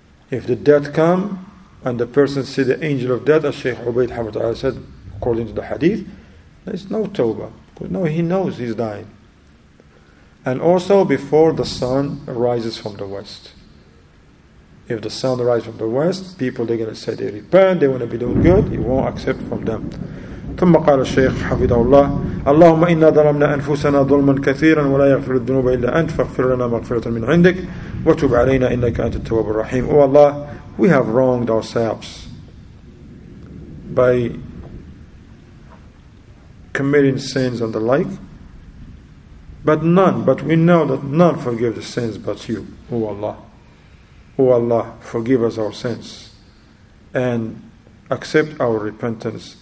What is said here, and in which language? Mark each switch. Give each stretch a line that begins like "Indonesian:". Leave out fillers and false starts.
English: If the death come and the person see the angel of death, as Shaykh Ubayd Hamad Ali said, according to the hadith, there is no tawbah. No, he knows he's dying. And also before the sun rises from the west. If the sun rises from the west, people, they're going to say they repent, they want to be doing good, he won't accept from them.
Arabic: ثم قال الشيخ حفظه الله اللهم إنا ظلمنا أنفسنا ظلما كثيرا ولا يغفر الذنوب إلا أنت فاغفر لنا مغفرة من عندك وتوب علينا إنك أنت التواب الرحيم.
English: Oh Allah, we have wronged ourselves by committing sins and the like, but we know that none forgive the sins but you. Oh Allah, oh Allah, forgive us our sins and accept our repentance.